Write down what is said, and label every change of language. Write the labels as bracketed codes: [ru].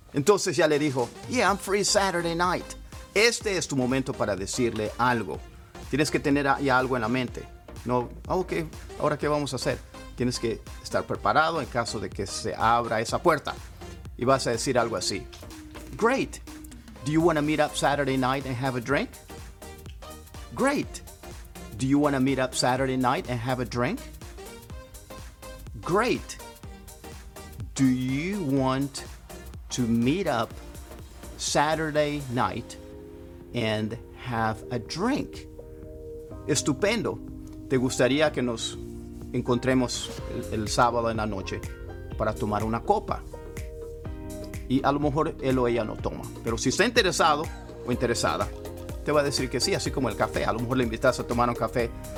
[es] Entonces, ya le dijo, [en] yeah, I'm free Saturday night. [es] Este es tu momento para decirle algo. Tienes que tener ya algo en la mente. No, ok, ¿ahora qué vamos a hacer? Tienes que estar preparado en caso de que se abra esa puerta. Y vas a decir algo así. Great. [en] Do you want to meet up Saturday night and have a drink? Great. Do you want to meet up Saturday night and have a drink? Great. Do you want to meet up Saturday night and have a drink? [es] Estupendo. ¿Te gustaría que nos encontremos el sábado en la noche para tomar una copa? Y a lo mejor él o ella no toma. Pero si está interesado o interesada, te va a decir que sí, así como el café. A lo mejor le invitas a tomar un café.